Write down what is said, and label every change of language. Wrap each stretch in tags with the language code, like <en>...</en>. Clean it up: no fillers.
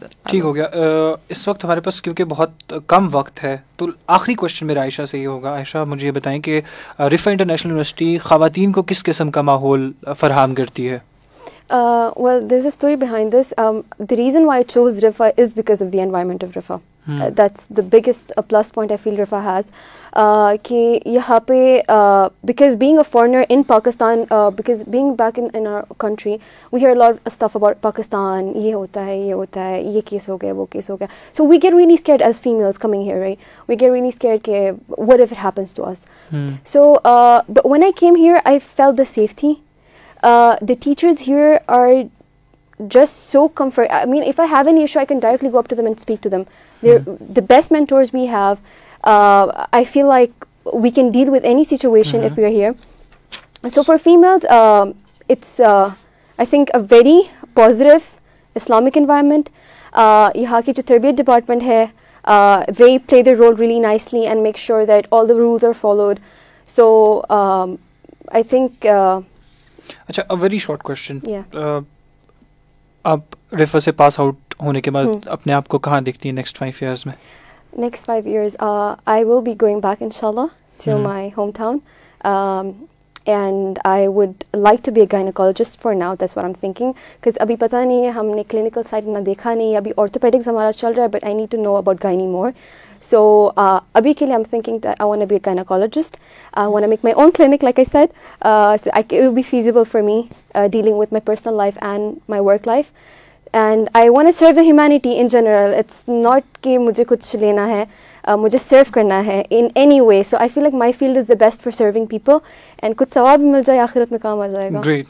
<hi>ठीक हो गया इस वक्त हमारे पास क्योंकि बहुत कम वक्त है तो आखिरी क्वेश्चन मेरा आयशा से ये होगा आयशा मुझे ये बताएं कि रिफा इंटरनेशनल यूनिवर्सिटी ख्वातीन को किस किस्म का माहौल फरहम करती है</hi> <en>well there's a story behind this the reason why I chose Riphah is because of the environment of Riphah that's the biggest plus point I feel Riphah has</en> <hi>ki yahan pe</hi> <en>because being a foreigner in Pakistan because being back in our country we hear a lot of stuff about Pakistan</en> <hi>ye hota hai ye case ho gaya</hi> <en>wo case ho gaya so we get really scared as females coming here right we get really scared ke what if it happens to us so but when I came here I felt the safety the teachers here are just so comfort I mean if I have any issue I can directly go up to them and speak to them they're the best mentors we have I feel like we can deal with any situation if we are here so for females it's I think a very positive Islamic environment</en> <hi>yahan ki jo tarbiyat department hai</hi> <en>they play their role really nicely and make sure that all the rules are followed so I think</en> <hi>अच्छा a very short question आप रिफा से pass out होने के बाद अपने आप को कहाँ देखती है नेक्स्ट 5 years में</hi> <en>next 5 years I will be going back इंशाल्लाह to my home town and I would like to be a gynaecologist for now that's what I am thinking because</en> <hi>अभी पता नहीं है हमने क्लिनिकल साइड ना देखा नहीं अभी ऑर्थोपेडिक्स हमारा चल रहा है</hi> <en>but I need to know about gynae more So</en> <hi>abhi ke liye</hi> <en>I'm thinking that I want to be a gynecologist. I want to make my own clinic like I said. It will be feasible for me dealing with my personal life and my work life. And I want to serve the humanity in general. It's not</en> <hi>ke mujhe kuch lena hai. Mujhe serve karna hai</hi> <en>in any way. So I feel like my field is the best for serving people and</en> <hi>kuch sawab bhi mil jaye aakhirat mein kaam aa jayega.</hi>